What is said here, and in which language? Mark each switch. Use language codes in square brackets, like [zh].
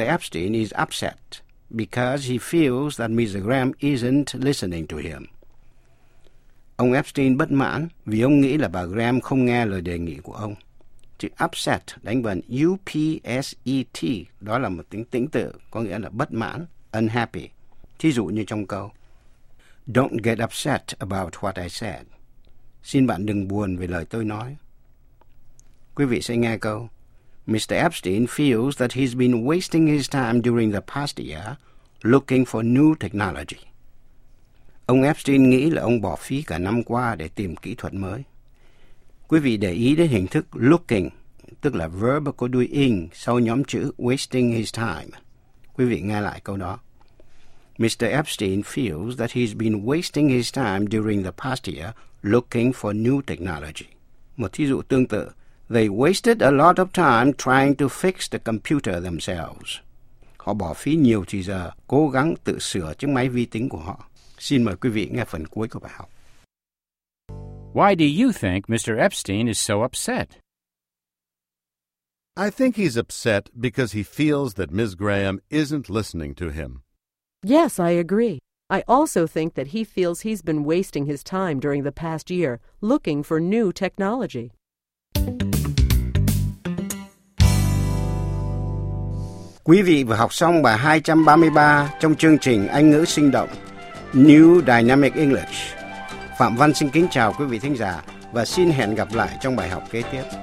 [en] Epstein is upset because he feels that Ms. Graham isn't listening to him. [vi] Ông Epstein bất mãn vì ông nghĩ là bà Graham không nghe lời đề nghị của ông. Chữ upset đánh vần U-P-S-E-T, đó là một tiếng tĩnh tự, có nghĩa là bất mãn, unhappy. Thí dụ như trong câu, [en] Don't get upset about what I said. [vi] Xin bạn đừng buồn về lời tôi nói. Quý vị sẽ nghe câu, Mr. [en] Epstein feels that he's been wasting his time during the past year looking for new technology. [vi] Ông Epstein nghĩ là ông bỏ phí cả năm qua để tìm kỹ thuật mới. Quý vị để ý đến hình thức looking, tức là verb có đuôi ing sau nhóm chữ [en] wasting his time. [vi] Quý vị nghe lại câu đó. Mr. [en] Epstein feels that he's been wasting his time during the past year looking for new technology. [vi] Một thí dụ tương tự. [en] They wasted a lot of time trying to fix the computer themselves. [vi] Họ bỏ phí nhiều thời giờ cố gắng tự sửa chiếc máy vi tính của họ. Xin mời quý vị nghe phần cuối của bài học. [en] Why do you think Mr. Epstein is so upset? I think he's upset because he feels that Ms. Graham isn't listening to him. Yes, I agree. I also think that he feels he's been wasting his time during the past year looking for new technology. [vi] Quý vị vừa học xong bài 233 trong chương trình Anh ngữ sinh động New Dynamic English. Phạm Văn xin kính chào quý vị thính giả và xin hẹn gặp lại trong bài học kế tiếp.